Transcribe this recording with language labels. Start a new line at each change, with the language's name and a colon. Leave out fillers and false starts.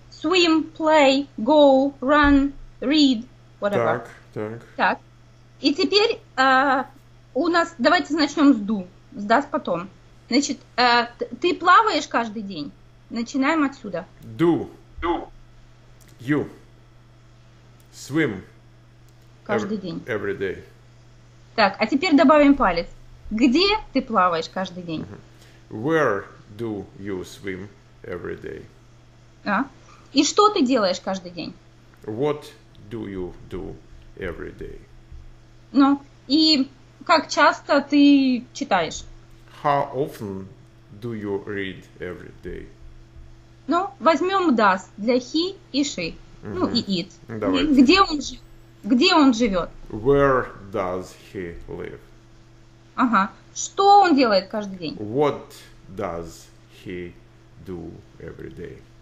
English: Swim, play, go, run, read, whatever.
Russian: Так. Так. И теперь у нас... Давайте начнем с do. С does потом. Значит, ты плаваешь каждый день. Начинаем отсюда.
English: Do. You. Swim.
Russian: Каждый день.
English: Every day.
Russian: Так, а теперь добавим палец. Где ты плаваешь каждый день?
English: Where do you swim every day?
Russian: А? И что ты делаешь каждый день?
English: What do you do every day?
Russian: Ну, и как часто ты читаешь?
English: How often do you read every day?
Russian: Ну, возьмем does для he и she. Ну, и it. Давайте. Где он живет? Где он живет?
English: Where does he live?
Russian: Ага. Что он делает каждый день?
English: What does he do every day?